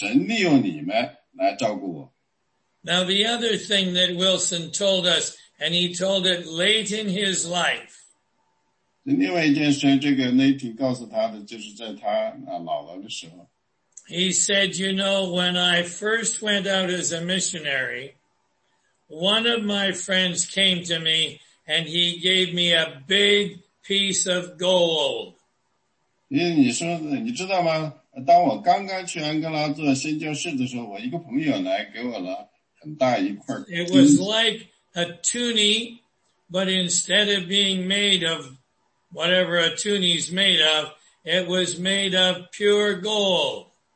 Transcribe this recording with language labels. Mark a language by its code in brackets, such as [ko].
[zh] 这就是保罗在这里说的，说神会来看顾我们，来感谢你们给提供，就是神利用你们来照顾我。 [en] Now the other thing that Wilson told us, and he told it late in his life. [zh] 另外一件事，这个Nathan告诉他的，就是在他老了的时候。 [en] He said, you know, when I first went out as a missionary, one of my friends came to me and he gave me a big piece of gold. [zh] 因为你说，你知道吗？当我刚刚去安哥拉做宣教士的时候，我一个朋友来给我了很大一块。 [en] It was like a tunic, but instead of being made of whatever a tunic is made of, it was made of pure gold.